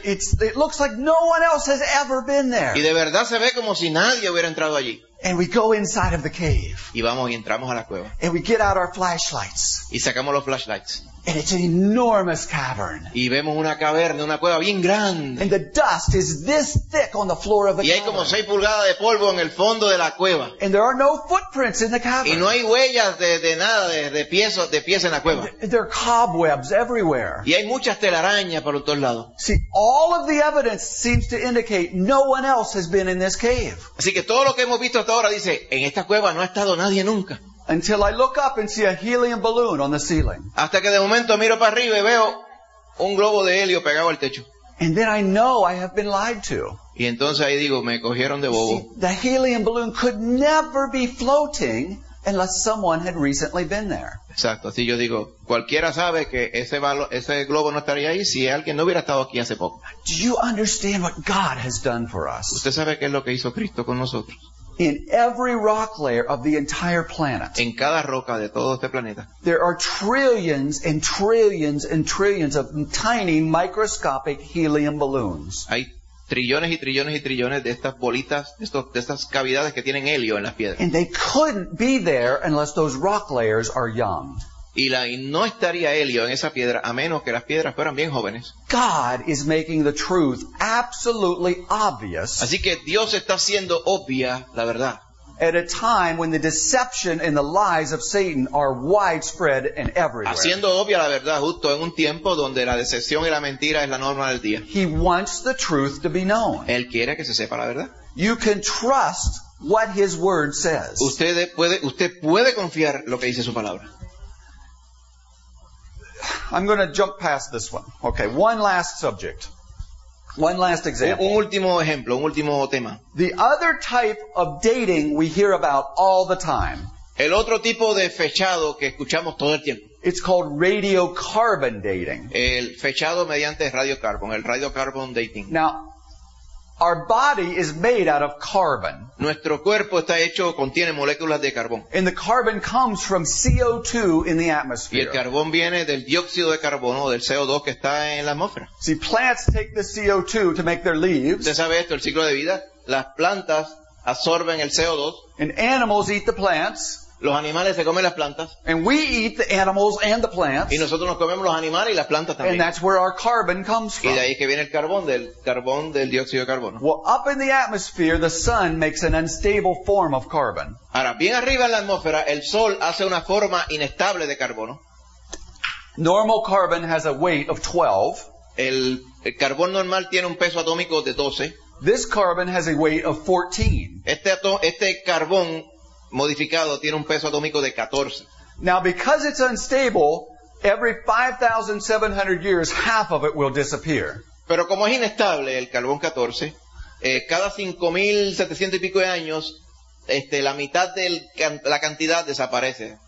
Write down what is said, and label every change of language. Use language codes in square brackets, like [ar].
[en] It looks like no one else has ever been there. [es] Y de verdad se ve como si nadie hubiera entrado allí. [en] And we go inside of the cave. [es] Y vamos y entramos a la cueva. [en] And we get out our flashlights. [es] Y sacamos los flashlights. [en] And it's an enormous cavern. [es] Y vemos una caverna, una cueva bien grande. [en] And the dust is this thick on the floor of the cavern. [es] Y hay como 6 pulgadas de polvo en el fondo de la cueva. [en] And there are no footprints in the cavern. [es] Y no hay huellas de nada, de pies en la cueva. [en] And there are cobwebs everywhere. [es] Y hay muchas telarañas por todos lados. [en] See, all of the evidence seems to indicate no one else has been in this cave. [es] Así que todo lo que hemos visto hasta ahora dice, en esta cueva no ha estado nadie nunca. [en] Until I look up and see a helium balloon on the ceiling. [es] Hasta que de momento miro para arriba y veo un globo de helio pegado al techo. [en] And then I know I have been lied to. [es] Y entonces ahí digo, me cogieron de bobo. [en] See, the helium balloon could never be floating unless someone had recently been there. [es] Exacto, así yo digo, cualquiera sabe que ese globo no estaría ahí si alguien no hubiera estado aquí hace poco. [en] Do you understand what God has done for us? [es] ¿Usted sabe qué es lo que hizo Cristo con nosotros? [en] In every rock layer of the entire planet, [es] en cada roca de todo este planeta, [en] there are trillions and trillions and trillions of tiny microscopic helium balloons. [es] Hay trillones y trillones y trillones de estas bolitas, de estas cavidades que tienen helio en las piedras. [en] And they couldn't be there unless those rock layers are young. [es] Y no estaría helio en esa piedra a menos que las piedras fueran bien jóvenes. [en] God is making the truth absolutely obvious. [es] Así que Dios está haciendo obvia la verdad. [en] At a time when the deception and the lies of Satan are widespread and everywhere. [es] Haciendo obvia la verdad justo en un tiempo donde la decepción y la mentira es la norma del día. [en] He wants the truth to be known. [es] Él quiere que se sepa la verdad. [en] You can trust what his word says. [es] Usted puede confiar lo que dice su palabra. [en] I'm going to jump past this one. Okay, one last subject. One last example. [es] Un último ejemplo, un último tema. [en] The other type of dating we hear about all the time. [es] El otro tipo de fechado que escuchamos todo el tiempo. [en] It's called radiocarbon dating. [es] El fechado mediante radiocarbon, el [en] radiocarbon dating. Now, our body is made out of carbon. [es] Nuestro cuerpo está hecho, contiene moléculas de carbón. [en] And the carbon comes from CO2 in the atmosphere. [es] Y el carbón viene del dióxido de carbono, del CO2 que está en la atmósfera. [en] See, plants take the CO2 to make their leaves. [es] ¿Usted sabe esto, el ciclo de vida? Las plantas absorben el CO2. [en] And animals eat the plants. [es] Los animales se comen las plantas. [en] And we eat the animals and the plants. [es] Y nosotros nos comemos los animales y las plantas también. [en] And that's where our carbon comes from. [es] Y de ahí que viene el carbón, del dióxido de carbono. [en] Well, up in the atmosphere, the sun makes an unstable form of carbon. [es] Ahora, bien arriba en la atmósfera, el sol hace una forma inestable de carbono. [en] Normal carbon has a weight of 12. [es] El carbón normal tiene un peso atómico de 12. [en] This carbon has a weight of 14. [es] Este carbón modificado tiene un peso atómico de 14. [en] Now because it's unstable, every 5,700 years half of it will disappear. [es] Pero como es inestable el carbón 14, cada 5,700 y pico de años, la mitad de la cantidad desaparece.